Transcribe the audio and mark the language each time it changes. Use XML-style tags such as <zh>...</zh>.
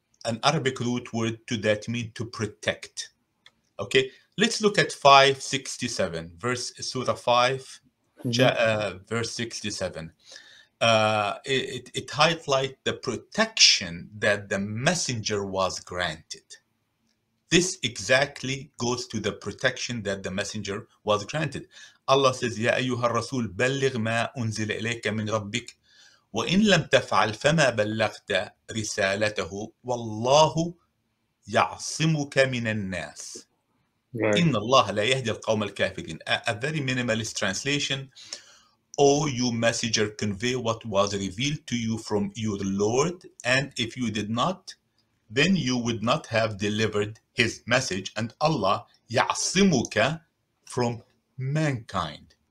<en>an Arabic root word to that mean to protect. Okay, let's look at 567, verse Surah 5, verse 67. It highlights the protection that the messenger was granted. This exactly goes to the protection that the messenger was granted. Allah says,</en> <ar>يَا أَيُّهَا الرَّسُولُ بَلِّغْ مَا أُنزِلَ إِلَيْكَ مِنْ رَبِّكَ وَإِنْ لَمْ تَفْعَلْ فَمَا بَلَّغْتَ رِسَالَتَهُ وَاللَّهُ يَعْصِمُكَ مِنَ النَّاسِ right. إِنَّ اللَّهَ لَا يَهْدِي الْقَوْمَ الْكَافِرِينَ.</ar> <en>A very minimalist translation. O you messenger, convey what was revealed to you from your Lord, and if you did not, then you would not have delivered his message, and Allah يَعْصِمُكَ from mankind.</en>